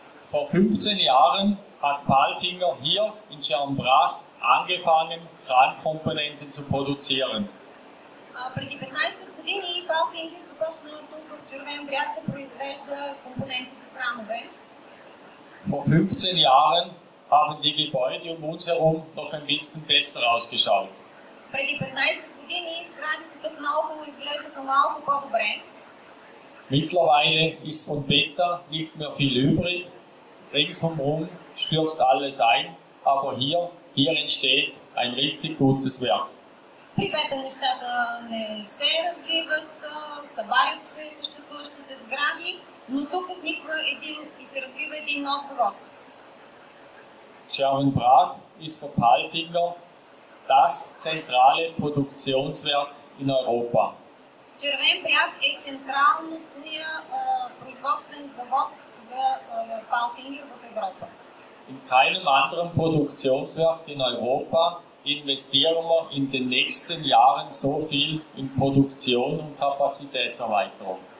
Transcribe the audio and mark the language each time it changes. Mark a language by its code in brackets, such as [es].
[de] Vor 15 Jahren hat Palfinger hier in Schermbrach angefangen, Krankkomponenten zu produzieren. [bg] Преди 15 години Палфингер започна тук в Червен бряг да произвежда компоненти за кранове. [de] Vor 15 Jahren haben die Gebäude um uns herum noch ein bisschen besser ausgeschaut. [bg] Преди 15 години сградите тук наоколо изглеждаха малко по-добре. [de] Mittlerweile ist von Beta nicht mehr viel übrig. Ringsumrum stürzt alles ein, aber hier entsteht ein richtig gutes Werk. [bg] При Бета нещата не се развиват, събарят се съществуващите сгради, но тук изниква един и се развива един нов завод. [de] Schermbrach ist für Palfinger das zentrale Produktionswerk in Europa. [bg] Червен бряг е централният производствен завод за Palfinger в Европа. [de] In keinem anderen Produktionswerk in Europa investieren wir in den nächsten Jahren so viel in Produktion und Kapazitätserweiterung.